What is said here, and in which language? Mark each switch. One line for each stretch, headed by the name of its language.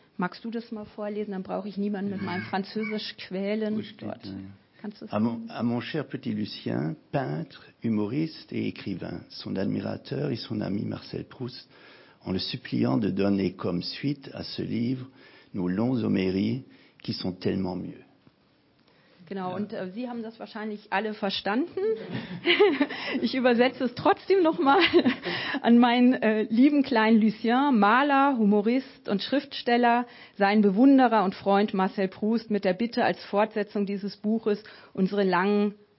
German: Magst du das mal vorlesen? Dann brauche ich niemanden mit meinem Französisch quälen. Dort.
French: À mon cher petit Lucien, peintre, humoriste et écrivain, son admirateur et son ami Marcel Proust, en le suppliant de donner comme suite à ce livre nos longs homéries qui sont tellement mieux.
German: Genau, ja. Und Sie haben das wahrscheinlich alle verstanden. Ich übersetze es trotzdem nochmal an meinen lieben kleinen Lucien, Maler, Humorist und Schriftsteller, seinen Bewunderer und Freund Marcel Proust, mit der Bitte als Fortsetzung dieses Buches unsere langen